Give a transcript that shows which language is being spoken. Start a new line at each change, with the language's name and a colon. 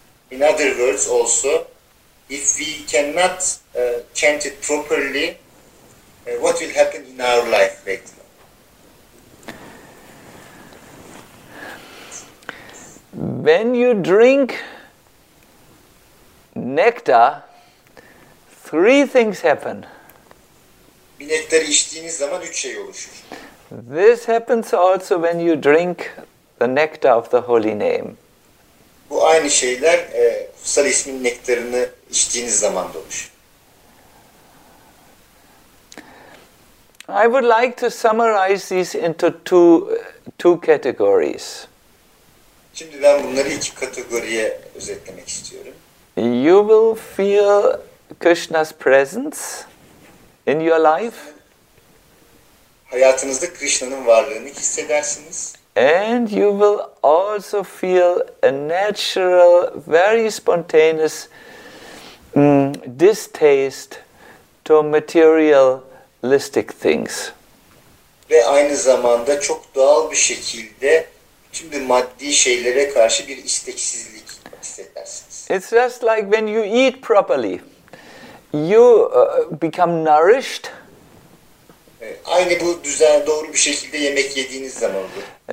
English: In other words, also, if we cannot chant it properly, what will happen in our life later? When you drink nectar, three things happen.
Turkish: Bir nektar içtiğiniz zaman üç şey oluşur.
English: This happens also when you drink the nectar of the holy name.
Turkish: Bu aynı şeyler kutsal ismin nektarını içtiğiniz zaman da oluşur.
English: I would like to summarize these into two categories.
Turkish: Şimdi ben bunları iki kategoriye özetlemek istiyorum.
English: You will feel Krishna's presence in your life.
Turkish: Hayatınızda Krishna'nın varlığını hissedersiniz.
English: And you will also feel a natural, very spontaneous distaste to materialistic things.
Turkish: Ve aynı zamanda çok doğal bir şekilde şimdi maddi şeylere karşı bir isteksizlik hissedersiniz.
English: It's just like when you eat properly, you become nourished.
Turkish: Aynı bu düzen doğru bir şekilde yemek yediğiniz zaman olur.